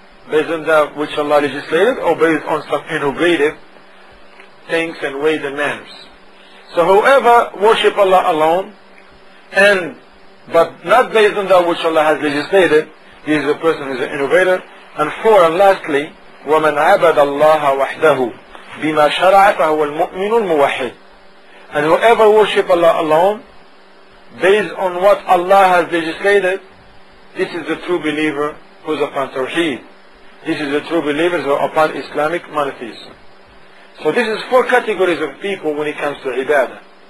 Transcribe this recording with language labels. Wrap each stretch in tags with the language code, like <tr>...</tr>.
<en>Based on that which Allah legislated, or based on some innovative things and ways and manners? So whoever worship Allah alone, and but not based on that which Allah has legislated, he is a person who is an innovator. And four and lastly,</en> <ar>وَمَنْ عَبَدَ اللَّهَ وَحْدَهُ بِمَا شَرَعَ فَهُوَ الْمُؤْمِنُ الْمُوَحِّدُ.</ar> <en>And whoever worship Allah alone, based on what Allah has legislated, this is the true believer who is upon Tawheed. This is the true believer who is upon Islamic monotheism. So this is four categories of people when it comes to ibadah.</en>